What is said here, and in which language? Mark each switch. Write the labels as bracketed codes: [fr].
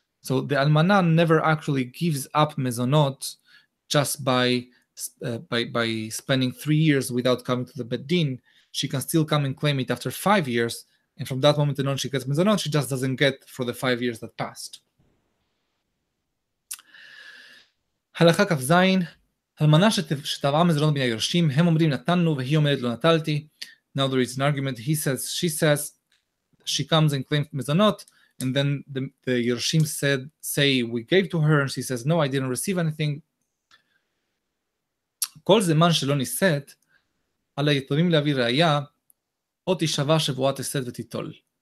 [en] So the almana never actually gives up mezonot just by spending 3 years without coming to the Bet Din. She can still come and claim it after 5 years, and from that moment and on, she gets mezonot. She just doesn't get for the 5 years that passed. [he] הלכה כף זין, הלמנה שתבעה מזונות בין הירושים, הם אומרים נתנו והיא אומרת לא נטלתי. [en] Now there is an argument, he says, she says, she comes and claims מזונות, and then the ירושים say we gave to her, and she says, no, I didn't receive anything. [he] כל זמן שלא ניסית, על היתומים להביא ראייה, או תשבע שבועת הסת ותיטול.